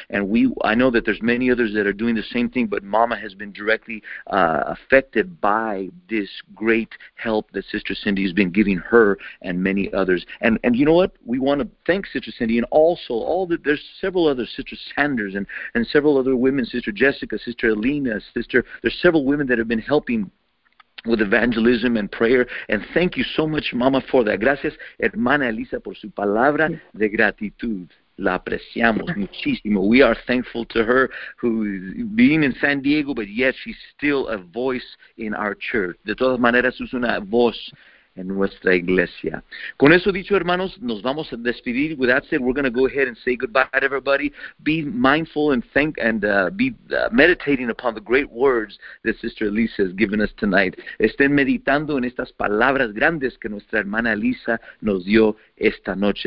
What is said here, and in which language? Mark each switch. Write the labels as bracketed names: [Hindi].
[English] And I know that there's many others that are doing this same thing, but Mama has been directly affected by this great help that Sister Cindy has been giving her and many others. And you know what? We want to thank Sister Cindy, and also there's several other Sister Sanders and several other women, Sister Jessica, Sister Alina, there's several women that have been helping with evangelism and prayer. And thank you so much, Mama, for that. [Spanish] Gracias, hermana Elisa, por su palabra de gratitud. La apreciamos muchísimo. [English] We are thankful to her who is being in San Diego, but yet she's still a voice in our church. [Spanish] De todas maneras, es una voz en nuestra iglesia. Con eso dicho, hermanos, nos vamos a despedir. [English] With that said, we're going to go ahead and say goodbye to everybody. Be mindful and meditating upon the great words that Sister Elisa has given us tonight. [Spanish] Estén meditando en estas palabras grandes que nuestra hermana Elisa nos dio esta noche.